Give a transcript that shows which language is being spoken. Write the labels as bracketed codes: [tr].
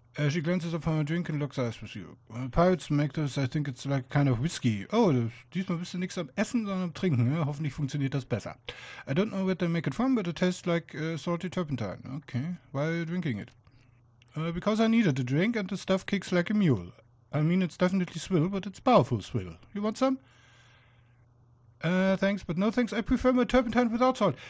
[en] She glances up from her drink and looks at you. Pirates make this, I think it's like kind of whiskey. [de] Oh, diesmal bist du nichts am Essen, sondern am Trinken. Ja? Hoffentlich funktioniert das besser. [en] I don't know where they make it from, but it tastes like salty turpentine. Okay, while drinking it. Because I needed a drink and the stuff kicks like a mule. I mean, it's definitely swill, but it's powerful swill. You want some? Thanks, but no thanks. I prefer my turpentine without salt.